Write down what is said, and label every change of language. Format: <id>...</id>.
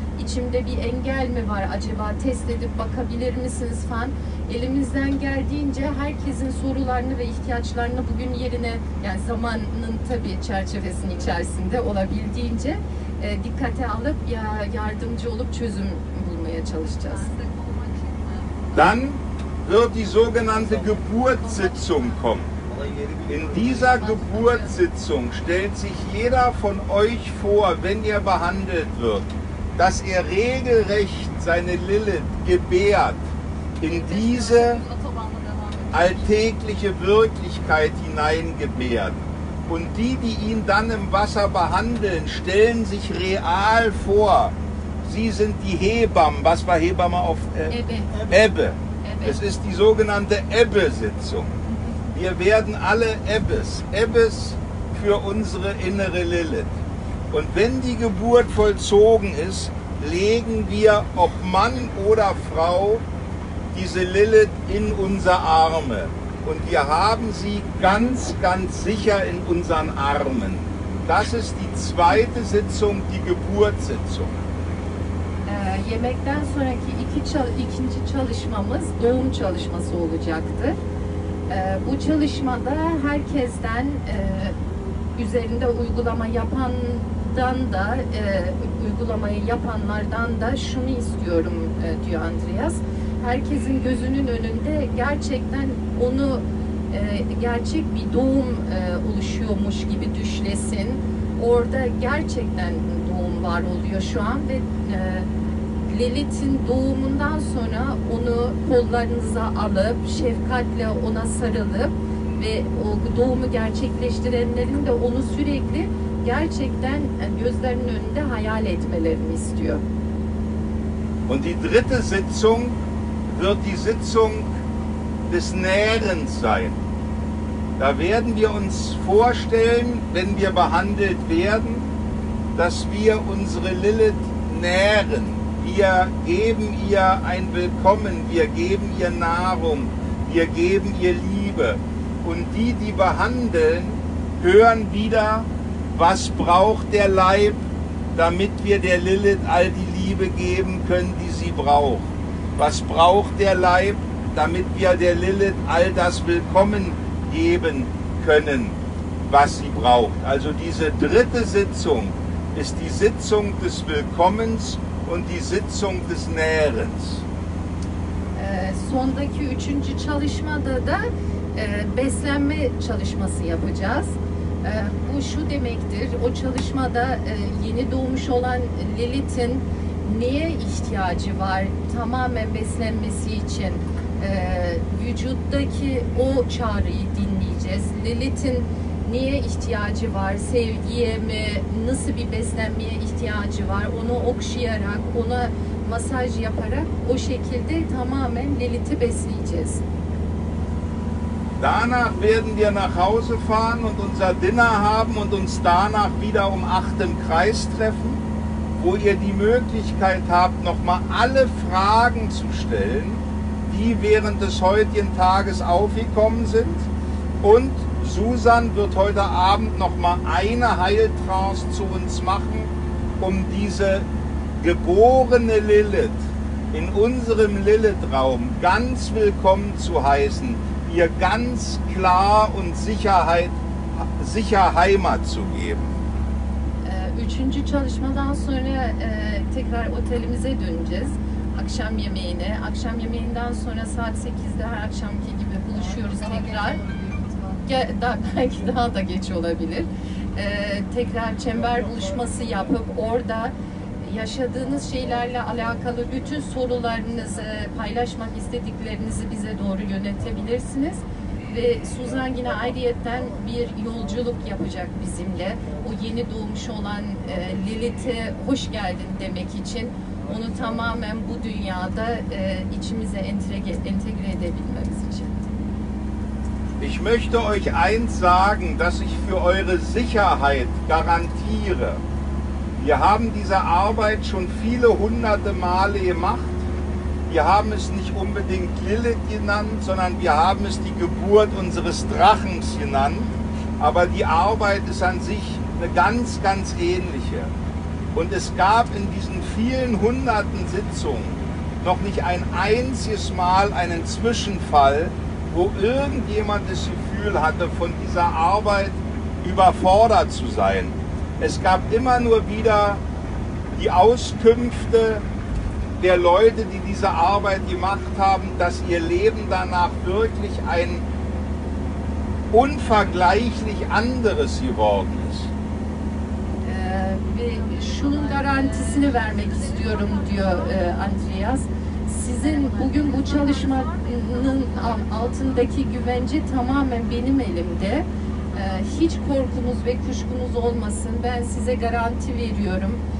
<tr>İçimde bir engel mi var acaba? Test edip bakabilir misiniz falan. Elimizden geldiğince herkesin sorularını ve ihtiyaçlarını bugün yerine, yani zamanın tabii çerçevesinin içerisinde olabildiğince dikkate alıp yardımcı olup çözüm bulmaya çalışacağız.</tr> <de>Dann wird die sogenannte Geburtssitzung kommen. In dieser Geburtssitzung stellt sich jeder von euch vor, wenn er behandelt wird, dass er regelrecht seine Lilith gebärt in diese alltägliche Wirklichkeit hineingebärt. Und die ihn dann im Wasser behandeln, stellen sich real vor. Sie sind die Hebammen. Was war Hebamme auf</de> <tr>Ebbe.</tr> <de>Es ist die sogenannte Ebbe-Sitzung. Wir werden alle Ebbes für unsere innere Lilith. Und wenn die Geburt vollzogen ist, legen wir, ob Mann oder Frau, diese Lilith in unsere Arme. Und wir haben sie ganz, ganz sicher in unseren Armen. Das ist die zweite Sitzung, die Geburtssitzung.</de> <tr>Yemekten sonraki ikinci çalışmamız doğum çalışması olacaktı. Bu çalışmada herkesten üzerinde uygulama yapandan da uygulamayı yapanlardan da şunu istiyorum diyor Andreas. Herkesin gözünün önünde gerçekten onu gerçek bir doğum oluşuyormuş gibi düşlesin. Orada gerçekten doğum var oluyor şu an ve Lilith'in doğumundan sonra onu kollarınıza alıp şefkatle ona sarılıp ve o doğumu gerçekleştirenlerin de onu sürekli gerçekten gözlerinin önünde hayal etmelerini istiyor.</tr> <de>Und die dritte Sitzung wird die Sitzung des Nährens sein. Da werden wir uns vorstellen, wenn wir behandelt werden, dass wir unsere Lilith nähren. Wir geben ihr ein Willkommen, wir geben ihr Nahrung, wir geben ihr Liebe. Und die behandeln, hören wieder, was braucht der Leib, damit wir der Lilith all die Liebe geben können, die sie braucht. Was braucht der Leib, damit wir der Lilith all das Willkommen geben können, was sie braucht. Also diese dritte Sitzung ist die Sitzung des Willkommens und die Sitzung des Nährens.</de> <tr>Sondaki üçüncü çalışmada da beslenme çalışması yapacağız. Bu şu demektir, o çalışmada yeni doğmuş olan Lilith'in neye ihtiyacı var tamamen beslenmesi için? Vücuttaki o çağrıyı dinleyeceğiz. Lilith'in neye ihtiyacı var? Sevgiye mi? Nasıl bir beslenmeye ihtiyacı var? Onu okşayarak, ona masaj yaparak o şekilde tamamen Lilith'i besleyeceğiz.</tr> <de>Danach werden wir nach Hause fahren und unser Dinner haben und uns danach wieder um 8 im Kreis treffen, wo ihr die Möglichkeit habt, nochmal alle Fragen zu stellen, die während des heutigen Tages aufgekommen sind. Und Susan wird heute Abend nochmal eine Heiltrance zu uns machen, um diese geborene Lilith in unserem Lilith-Raum ganz willkommen zu heißen, ihr ganz klar und sicher Heimat zu geben.</de> <tr>Üçüncü çalışmadan sonra tekrar otelimize döneceğiz. Akşam yemeğine. Akşam yemeğinden sonra saat 8'de her akşamki gibi buluşuyoruz tekrar. Belki daha da geç olabilir. Tekrar çember buluşması yapıp orada yaşadığınız şeylerle alakalı bütün sorularınızı, paylaşmak istediklerinizi bize doğru yönetebilirsiniz. Ve Suzan yine ayrıyetten bir yolculuk yapacak bizimle. O yeni doğmuş olan Lilith'e hoş geldin demek için onu tamamen bu dünyada içimize entegre edebilmemiz için.</tr> <de>Ich möchte euch eins sagen, dass ich für eure Sicherheit garantiere. Wir haben diese Arbeit schon viele hunderte Male gemacht. Wir haben es nicht unbedingt Lilith genannt, sondern wir haben es die Geburt unseres Drachens genannt. Aber die Arbeit ist an sich eine ganz, ganz ähnliche. Und es gab in diesen vielen hunderten Sitzungen noch nicht ein einziges Mal einen Zwischenfall, wo irgendjemand das Gefühl hatte, von dieser Arbeit überfordert zu sein. Es gab immer nur wieder die Auskünfte der Leute, die diese Arbeit gemacht haben, dass ihr Leben danach wirklich ein unvergleichlich anderes geworden ist.</de> <tr>Ve şunun garantisini vermek istiyorum diyor Andreas. Sizin bugün bu çalışmanın altındaki güvence tamamen benim elimde. Hiç korkunuz ve kuşkunuz olmasın. Ben size garanti veriyorum.</tr>